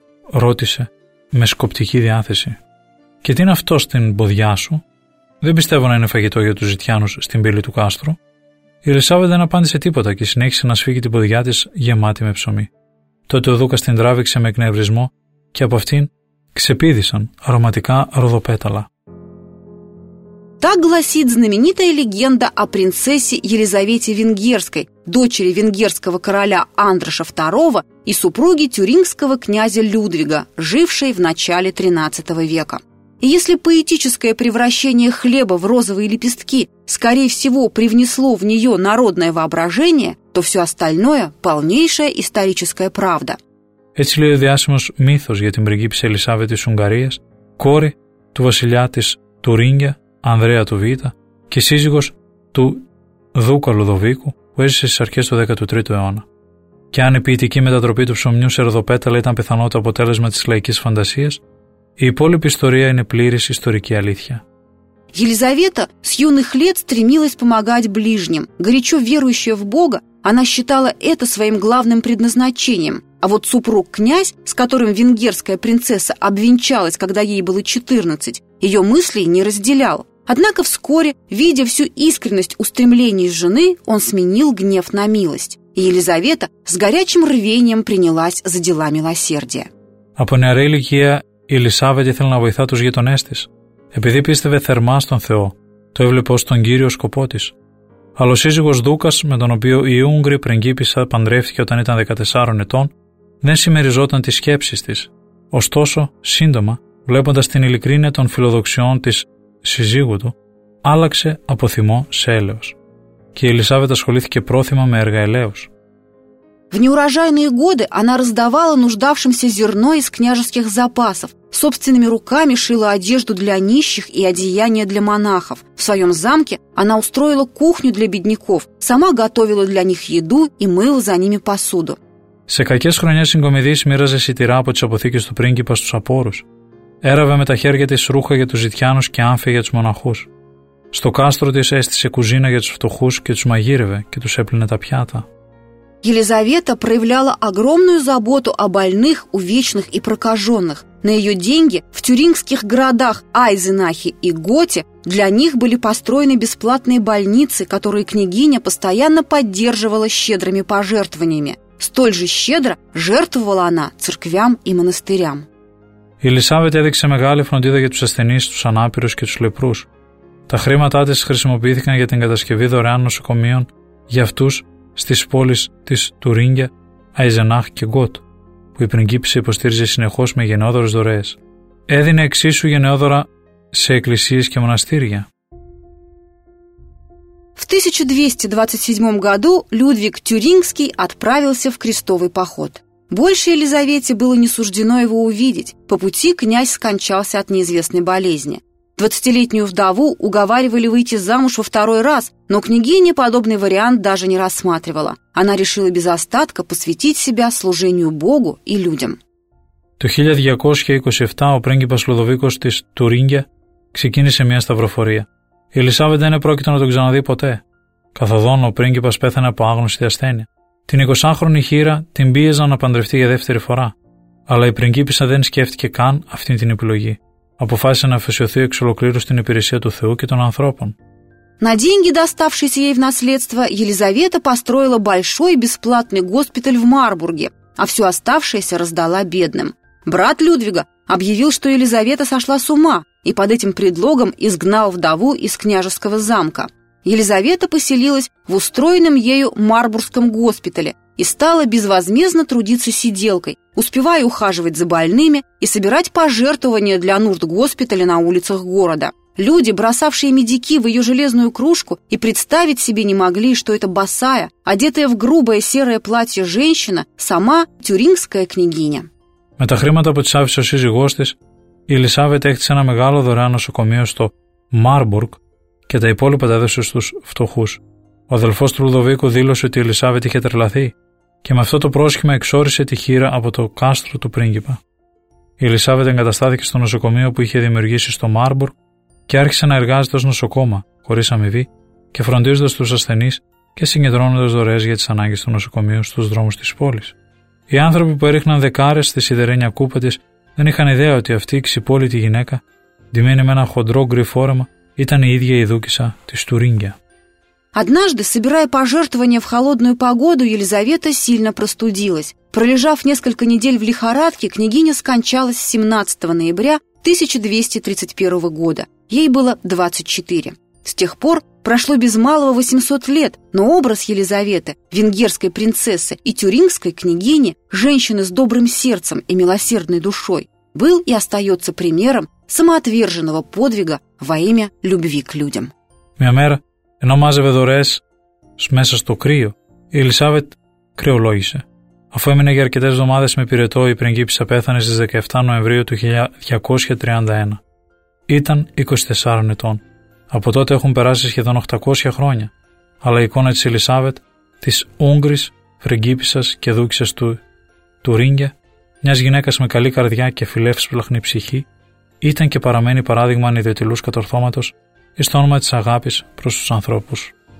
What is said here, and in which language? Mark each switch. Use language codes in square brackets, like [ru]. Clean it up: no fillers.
[el] ρώτησε με σκοπτική διάθεση. «Και τι είναι αυτό στην ποδιά σου?» «Δεν πιστεύω να είναι φαγητό για τους ζητιάνους στην πύλη του κάστρου». Η Ελισάβετ δεν απάντησε τίποτα και συνέχισε να σφίγγει την ποδιά της γεμάτη με ψωμί. Τότε ο Δούκας την τράβηξε με εκνευρισμό και από αυτήν ξεπήδησαν αρωματικά ροδοπέταλα. [ru] Так гласит знаменитая легенда о принцессе Елизавете Венгерской, дочери венгерского короля Андраша II и супруге тюрингского князя Людвига, жившей в начале XIII века. И если поэтическое превращение хлеба в розовые лепестки, скорее всего, привнесло в нее народное воображение, то все остальное – полнейшая историческая правда. [el] Έτσι λέει ο διάσημος μύθος για την πριγκίπισσα Ελισάβετ της Ουγγαρίας, κόρη του βασιλιά της Τουρίνγια, Ανδρέα του Βίτα και σύζυγος του Δούκα Λουδοβίκου που έζησε στις αρχές του 13ου αιώνα. Και αν η ποιητική μετατροπή του ψωμιού σε ροδοπέταλα ήταν πιθανό το αποτέλεσμα της λαϊκής φαντασίας, η υπόλοιπη ιστορία είναι πλήρης ιστορική αλήθεια. [ru] Η Ελισάβετα с юных лет стремилась помогать ближним. Горячо верующая в Бога, она считала это своим главным предназначением. А вот супруг-князь, с которым венгерская принцесса обвенчалась, когда ей было 14, ее мыслей не разделял. Однако вскоре, видя всю искренность устремлений жены, он сменил гнев на милость. И Елизавета с горячим рвением принялась за дела милосердия. [el] Από νεαρή ηλικία, η Ελισάβετ ήθελε να βοηθά τους γειτονές της, επειδή πίστευε θερμά στον Θεό το έβλεπε ως τον κύριο σκοπό της. Αλλά ο σύζυγος Δούκας, με τον οποίο η Ούγγρη πριγκίπισσα παντρεύτηκε όταν ήταν 14 ετών, δεν συμμεριζόταν τις σκέψεις της. Ωστόσο, σύντομα, βλέποντας την ειλικρίνεια των φιλοδοξιών της σύζυγου του, άλλαξε από θυμό σε έλεος. Και η Ελισάβετ ασχολήθηκε πρόθυμα με έργα ελαίους. [ru] В неурожайные годы она раздавала нуждавшимся зерно из княжеских запасов, собственными руками шила одежду для нищих и одеяния для монахов. В своем замке она устроила кухню для бедняков, сама готовила для них еду и мыла за ними посуду. [el] Σε κακές χρονιές συγκομιδής μοίραζε σιτηρά από τις αποθήκες του πρίγκιπα στους απόρους. Έραβε με τα χέρια της ρούχα για τους ζητιάνους και άμφια για τους μοναχούς. Στο κάστρο της έστησε κουζίνα για τους φτωχούς και τους μαγείρευε και τους έπλυνε τα πιάτα. [ru] Елизавета проявляла огромную заботу о больных, увечных и прокаженных. На ее деньги в тюрингских городах Айзенахе и Готе для них были построены бесплатные больницы, которые княгиня постоянно поддерживала щедрыми пожертвованиями. Столь же щедро жертвовала она церквям и монастырям. [el] Елизавета έδειξε μεγάλη φροντίδα για τους ασθενείς, τους ανάπηρους και τους λεπρούς. Τα χρήματά της χρησιμοποιήθηκαν για την κατασκευή δωρεάν νοσοκομείων για αυτούς στις πόλεις της Τουρίνγκια, Άιζενάχ και Γκότ, που η πριγκίπισσα υποστήριζε συνεχώς με γενναιόδωρες δωρεές. Έδινε εξίσου γενναιόδωρα σε εκκλησίες και μοναστήρια. [ru] В 1227 году Людвиг Тюрингский отправился в крестовый поход. Больше Елизавете было не суждено его увидеть. По пути князь скончался от неизвестной болезни. 20-летнюю вдову уговаривали выйти замуж во второй раз, но княгиня подобный вариант даже не рассматривала. Она решила без остатка посвятить себя служению Богу и людям. [el] Το 1227 ο πρίγκιπας Λουδοβίκος της Τουρίνγκια ξεκίνησε μια σταυροφορία. Η Ελισάβετ δεν επρόκειτο να τον ξαναδεί ποτέ. Καθοδόν ο πρίγκιπας πέθανε από άγνωστη ασθένεια. Την 20χρονη χείρα την πίεζαν να παντρευτεί για δεύτερη φορά. Αλλά η πριγκίπισσα δεν σκέφτηκε καν αυτή την επιλογή. Αποφάσισε να αφοσιωθεί εξ ολοκλήρου στην υπηρεσία του Θεού και των ανθρώπων. [ru] На деньги, доставшиеся ей в наследство, Елизавета построила большой бесплатный госпиталь в Марбурге, а все оставшееся раздала бедным. Брат Людвига объявил, что Елизавета сошла с ума, и под этим предлогом изгнал вдову из княжеского замка. Елизавета поселилась в устроенном ею Марбургском госпитале и стала безвозмездно трудиться сиделкой, успевая ухаживать за больными и собирать пожертвования для нужд госпиталя на улицах города. Люди, бросавшие медики в ее железную кружку, и представить себе не могли, что эта босая, одетая в грубое серое платье женщина, сама тюрингская княгиня. [el] Με τα χρήματα που της άφησε ο σύζυγός της, η Ελισάβετ έκτισε ένα μεγάλο δωρεάν νοσοκομείο στο Μάρμπουργκ και τα υπόλοιπα τα έδωσε στους φτωχούς. Ο αδελφός του Λουδοβίκου δήλωσε ότι η Ελισάβετ είχε τρελαθεί και με αυτό το πρόσχημα εξόρισε τη χείρα από το κάστρο του πρίγκιπα. Η Ελισάβετ εγκαταστάθηκε στο νοσοκομείο που είχε δημιουργήσει στο Μάρμπουργκ και άρχισε να εργάζεται ως νοσοκόμα, χωρίς αμοιβή, και φροντίζοντας τους ασθενείς και συγκεντρώνοντας δωρεές για τις ανάγκες του νοσοκομείου στους δρόμους της πόλης. Οι άνθρωποι που έριχναν δεκάρες στη σιδερένια κούπα της δεν είχαν ιδέα ότι αυτή η ξυπόλυτη γυναίκα, ντυμένη με ένα χοντρό γκρι φόρεμα, ήταν η ίδια η δούκισσα της Τουρίνγκια. [ru] Однажды, собирая пожертвования в холодную погоду, Елизавета сильно простудилась. Пролежав несколько недель в лихорадке, княгиня скончалась 17 ноября 1231 года. Ей было 24. С тех пор прошло без малого 800 лет, но образ Елизаветы, венгерской принцессы и тюрингской княгини, женщины с добрым сердцем и милосердной душой, был и остается примером самоотверженного подвига во имя любви к людям. [el] Мямер, ενώ μάζευε δωρές μέσα στο κρύο, η Ελισάβετ κρυολόγησε. Αφού έμεινε για αρκετές εβδομάδες με πυρετό, η πριγκίπισσα πέθανε στις 17 Νοεμβρίου του 1231. Ήταν 24 ετών. Από τότε έχουν περάσει σχεδόν 800 χρόνια, αλλά η εικόνα της Ελισάβετ, της Ούγγρης, πριγκίπισσας και δούκισσας του Τουρίνγκια, μιας γυναίκας με καλή καρδιά και φιλεύσπλαχνη ψυχή, ήταν και παραμένει παράδειγμα ανιδιοτελούς κατορθώματος εις το όνομα της αγάπης προς τους ανθρώπους.